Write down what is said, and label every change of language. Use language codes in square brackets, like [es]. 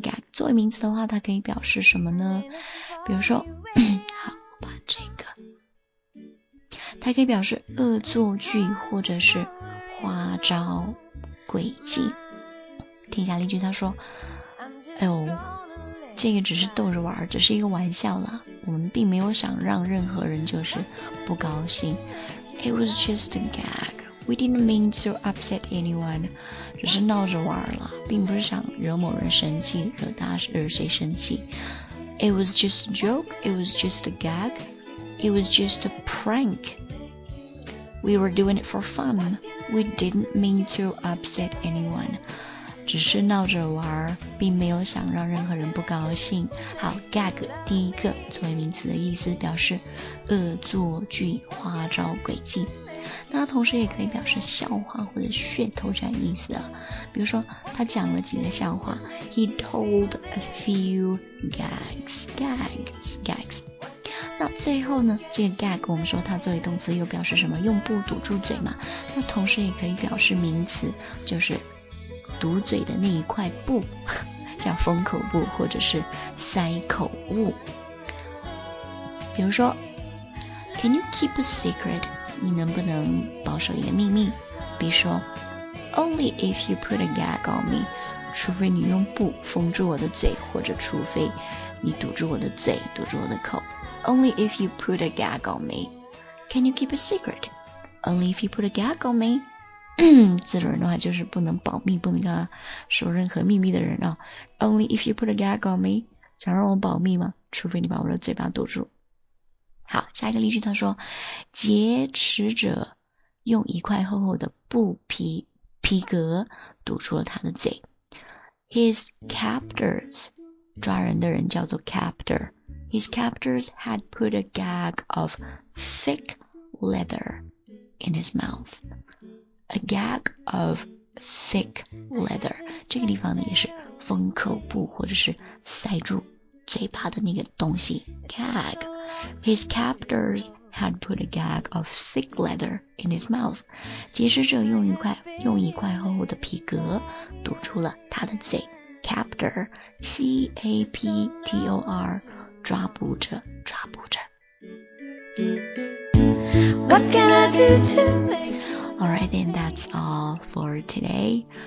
[zh] gag 作为名词的话，它可以表示什么呢？比如说，好，我把这个，它可以表示恶作剧或者是花招诡计。听一下例句，他说：“哎呦，这个只是逗着玩，只是一个玩笑啦。我们并没有想让任何人就是不高兴。 [en] It was just a gag. We didn't mean to upset anyone. [zh] 只是闹着玩了，并不是想惹某人生气，惹谁生气。 [en] It was just a joke. It was just a gag. It was just a prank. We were doing it for fun. We didn't mean to upset anyone.” [zh] 只是闹着玩并没有想让任何人不高兴好 gag 第一个作为名词的意思表示恶作剧花招诡计那同时也可以表示笑话或者噱头这样意思啊比如说他讲了几个笑话 [en] He told a few gags [zh] 那最后呢这个 gag 我们说它作为动词又表示什么用布堵住嘴嘛那同时也可以表示名词就是堵嘴的那一块布叫封口布或者是塞口物比如说 [en] Can you keep a secret? [zh] 你能不能保守一个秘密比如说 [en] Only if you put a gag on me [zh] 除非你用布封住我的嘴或者除非你堵住我的嘴堵住我的口 Only if you put a gag on me [en] Can you keep a secret? Only if you put a gag on me [zh] 自主人的话就是不能保密不能跟他说任何秘密的人啊 Only if you put a gag on me 想让我保密吗除非你把我的嘴巴堵住好下一个例句他说劫持者用一块厚厚的布皮革堵住了他的嘴 [en] His captors [zh] 抓人的人叫做 captor [en] His captors had put a gag of thick leather in his mouthA gag of thick leather. [zh] 这个地方呢也是封口布或者是塞住嘴巴的那个东西 gag. [en] His captors had put a gag of thick leather in his mouth. [zh] 劫持者用一块厚厚的皮革堵住了他的嘴 Captor, C-A-P-T-O-R, 抓捕者抓捕者 [en] What can I do to Alright, then that's all for today.